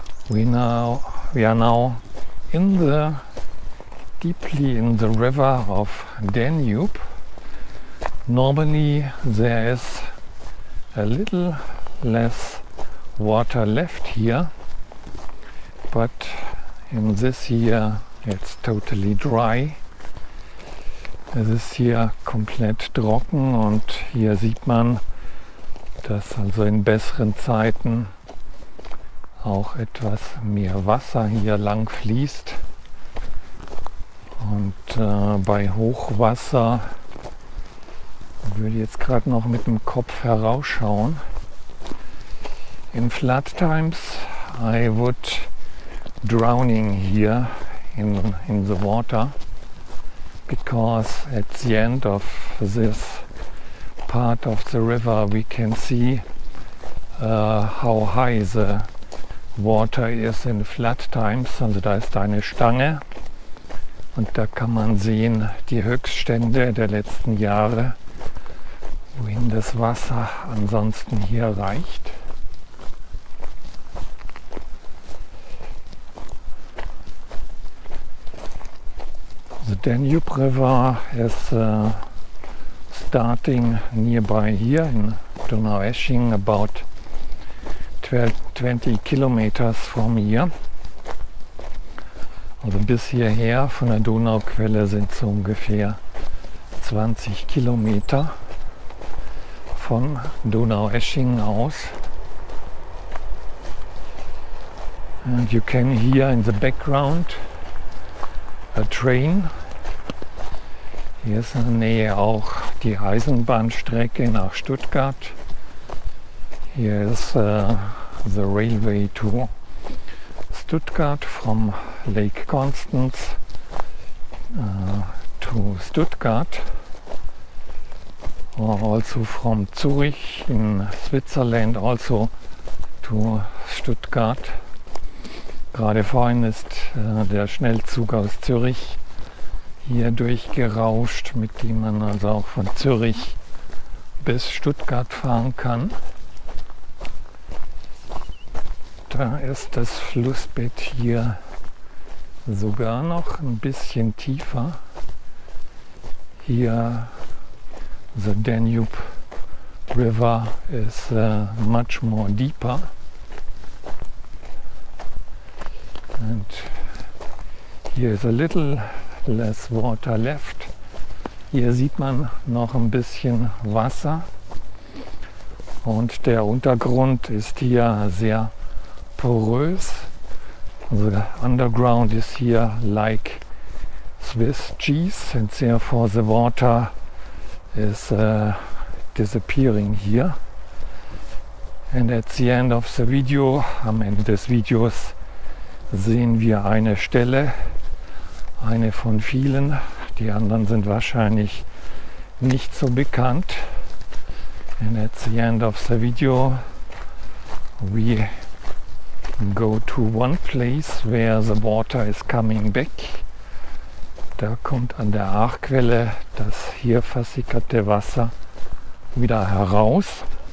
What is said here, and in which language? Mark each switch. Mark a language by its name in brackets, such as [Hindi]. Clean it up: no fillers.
[English] We are now deeply in the river of Danube. Normally there is a little less water left here, but in this year it's totally dry. [German] Es ist hier komplett trocken, und hier sieht man, dass also in besseren Zeiten auch etwas mehr Wasser hier lang fließt. Und bei Hochwasser würde ich jetzt gerade noch mit dem Kopf herausschauen. [English] In flood times I would drowning here in the water, because at the end of this part of the river we can see how high the water is in flood times. [German] Also da ist eine Stange und da kann man sehen die Höchststände der letzten Jahre, wohin das Wasser ansonsten hier reicht. [English] The Danube River is starting nearby here in Donaueschingen, about 20 kilometers from here. [German] Also bis hierher von der Donauquelle sind so ungefähr 20 Kilometer von Donaueschingen aus. [English] And you can hear in the background a train. [German] Hier ist in der Nähe auch die Eisenbahnstrecke nach Stuttgart. Hier ist [English] the railway to Stuttgart from Lake Constance to Stuttgart. Also from Zurich in Switzerland also to Stuttgart. [German] Gerade vorhin ist der Schnellzug aus Zürich hier durchgerauscht, mit dem man also auch von Zürich bis Stuttgart fahren kann. Da ist das Flussbett hier sogar noch ein bisschen tiefer. [English] Hier, the Danube River is much more deeper. And Here is a little less water left. [German] Hier sieht man noch ein bisschen Wasser. Und der Untergrund ist hier sehr porös. [English] Also underground is here like Swiss cheese. And therefore the water is disappearing here. And at the end of the video, [German] am Ende des Videos, sehen wir eine Stelle, eine von vielen. Die anderen sind wahrscheinlich nicht so bekannt. [English] And at the end of the video, we go to one place where the water is coming back. [German] Da kommt an der Aachquelle das hier versickerte Wasser wieder heraus.